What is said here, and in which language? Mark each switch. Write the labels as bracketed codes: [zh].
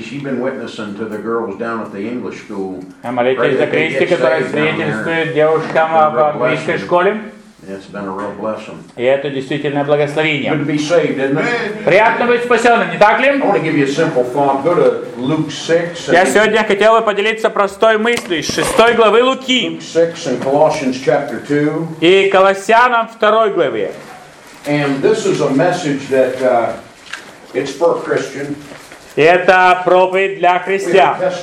[en] She's been witnessing to the girls down at the English school. [ru] Молитесь за Кристи, которая свидетельствует девушкам в английской школе. [en] It's been a real blessing. [ru] И это действительно благословение. [en] Good to be saved, isn't it? [ru] Приятно быть спасенным, не так ли? [en] I want to give you a simple thought. Go to Luke 6. [ru] Я сегодня хотел бы поделиться простой мыслью из 6 главы Луки. [en] Luke 6 and Colossians chapter 2. [ru] И Колоссянам 2 главе. [en] And this is a message that it's for a Christian. [ru] И это проповедь для христиан.